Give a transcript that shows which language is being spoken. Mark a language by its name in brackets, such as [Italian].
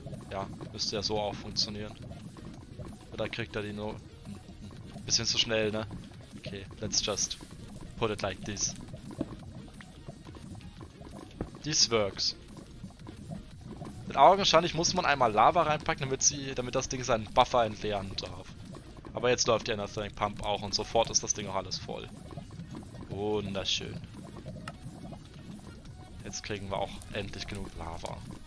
[German] Ja, müsste ja so auch funktionieren. Da kriegt er die nur. Bisschen zu schnell, ne? [English] Okay, let's just put it like this. This works. [German] Mit augenscheinlich muss man einmal Lava reinpacken, damit das Ding seinen Buffer entleeren darf. Aber jetzt läuft die Endothermic Pump auch und sofort ist das Ding auch alles voll. Wunderschön. Jetzt kriegen wir auch endlich genug Lava.